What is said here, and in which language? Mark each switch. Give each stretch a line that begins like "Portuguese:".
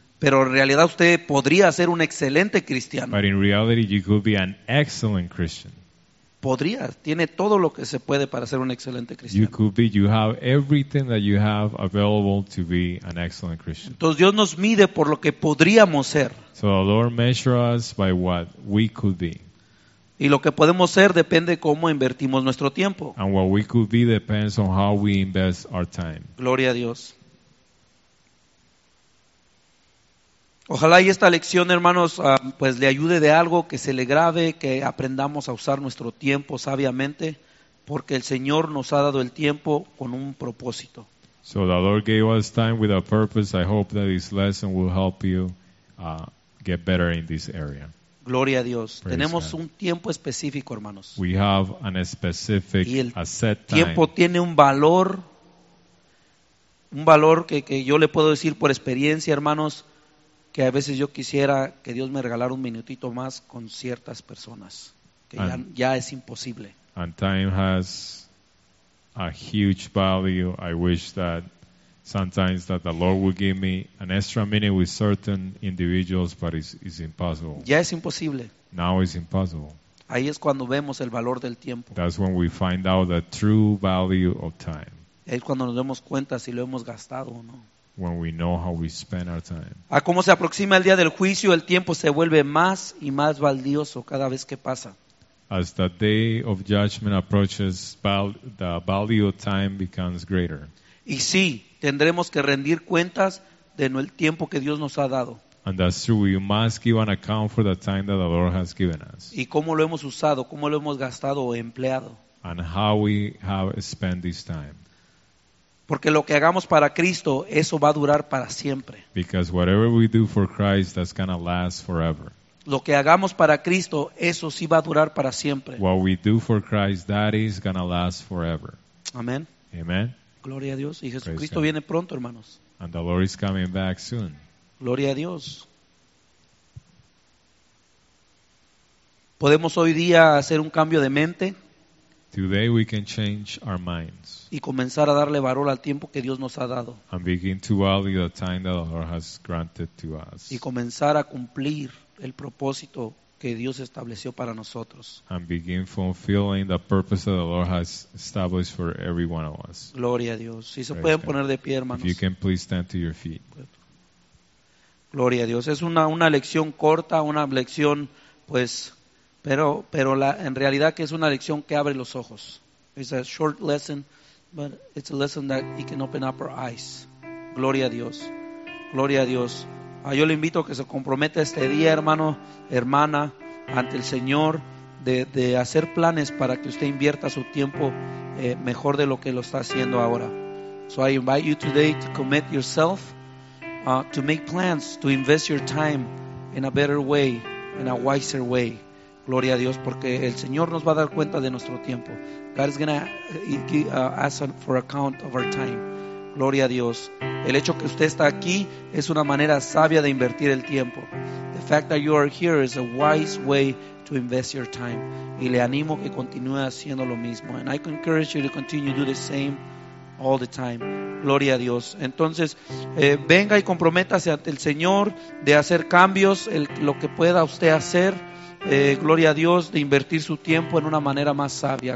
Spanish: Pero en realidad usted podría ser un excelente cristiano.
English: But in reality you could be an excellent Christian.
Spanish: Podría, tiene todo lo que se puede para ser un excelente cristiano.
English: You could be, you have everything that you have available to be an excellent Christian.
Spanish: Entonces Dios nos mide por lo que podríamos ser.
English: So the Lord measures us by what we could be.
Spanish: Y lo que podemos ser depende cómo invertimos nuestro tiempo.
English: And what we could be depends on how we invest our time.
Spanish: Gloria a Dios. Ojalá y esta lección, hermanos, pues le ayude de algo, que se le grabe, que aprendamos a usar nuestro tiempo sabiamente, porque el Señor nos ha dado el tiempo con un propósito.
English: So the Lord gave us time with a purpose. I hope that this lesson will help you get better in this area.
Spanish: Gloria a Dios.
English: Praise
Spanish: Tenemos
English: God.
Spanish: Un tiempo específico, hermanos.
English: We have an specific set time.
Spanish: Y el tiempo tiene un valor que yo le puedo decir por experiencia, hermanos, que a veces yo quisiera que Dios me regalara un minutito más con ciertas personas, que ya es imposible.
English: And time has a huge value. I wish that sometimes that the Lord would give me an extra minute with certain individuals, but it's impossible.
Spanish: Ya es imposible.
English: Now it's impossible.
Spanish: Ahí es cuando vemos el valor del tiempo.
English: That's when we find out the true value of time.
Spanish: Es cuando nos damos cuenta si lo hemos gastado o no.
English: When we know how we spend our time.
Spanish: A cómo se aproxima el día del juicio, el tiempo se vuelve más y más valioso cada vez que pasa.
English: As the day of judgment approaches, the value of time becomes greater.
Spanish: Y sí, tendremos que rendir cuentas de el tiempo que Dios nos ha dado.
English: And that's true. We must give an account for the time that the Lord has given us.
Spanish: Y cómo lo hemos usado, cómo lo hemos gastado o empleado.
English: And how we have spent this time.
Spanish: Porque lo que hagamos para Cristo, eso va a durar para siempre.
English: Because whatever we do for Christ, that's going to last forever.
Spanish: Lo que hagamos para Cristo, eso sí va a durar para siempre.
English: What we do for Christ, that is going to last forever.
Spanish: Amén.
English: Amen.
Spanish: Gloria a Dios. Y Jesucristo viene pronto, hermanos.
English: And the Lord is coming back soon.
Spanish: Gloria a Dios. Podemos hoy día hacer un cambio de mente.
English: Today we can change our minds.
Spanish: Y comenzar a darle valor al tiempo que Dios nos ha dado.
English: And begin to value the time that the Lord has granted to us.
Spanish: Y comenzar a cumplir el propósito que Dios estableció para nosotros.
English: And begin fulfilling the purpose that the Lord has established for every one of us.
Spanish: Gloria a Dios. Si se pueden poner de pie, hermanos.
English: If you can please stand to your feet.
Spanish: Gloria a Dios. Es una lección corta, una lección, pues, pero en realidad que es una lección que abre los ojos.
English: It's a short lesson, but it's a lesson that it can open up our eyes.
Spanish: Gloria a Dios. Gloria a Dios. Yo le invito a que se comprometa este día, hermano, hermana, ante el Señor, de hacer planes para que usted invierta su tiempo mejor de lo que lo está haciendo ahora.
English: So I invite you today to commit yourself to make plans to invest your time in a better way, in a wiser way.
Spanish: Gloria a Dios, porque el Señor nos va a dar cuenta de nuestro tiempo.
English: God is going to ask for account of our time.
Spanish: Gloria a Dios. El hecho que usted está aquí es una manera sabia de invertir el tiempo.
English: The fact that you are here is a wise way to invest your time.
Spanish: Y le animo que continúe haciendo lo mismo.
English: And I encourage you to continue to do the same all the time.
Spanish: Gloria a Dios. Entonces, venga y comprométase ante el Señor de hacer cambios, lo que pueda usted hacer. Gloria a Dios, de invertir su tiempo en una manera más sabia.